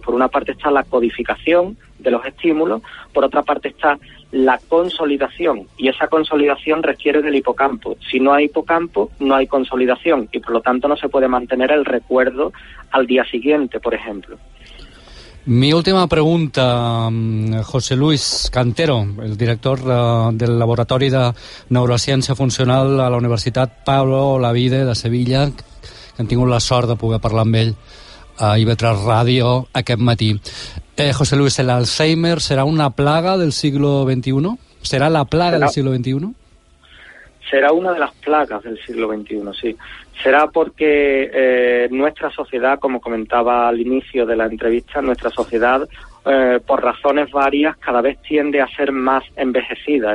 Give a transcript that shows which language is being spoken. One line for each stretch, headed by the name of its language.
Spanish: Por una parte está la codificación de los estímulos, por otra parte está la consolidación, y esa consolidación requiere del hipocampo. Si no hay hipocampo, no hay consolidación, y por lo tanto no se puede mantener el recuerdo al día siguiente, por ejemplo. Mi última pregunta,
Catalan: José Luis Cantero, el director del Laboratori de Neurociència Funcional a la Universitat Pablo Olavide de Sevilla, que hem tingut la sort de poder parlar amb ell a IB3 Ràdio aquest matí.
Spanish: José Luis, ¿el Alzheimer será una plaga del siglo XXI? ¿Será la plaga del siglo XXI? Será una de las plagas del siglo XXI, sí. Será porque nuestra sociedad, como comentaba al inicio de la entrevista, nuestra sociedad, por razones varias, cada vez tiende a ser más envejecida.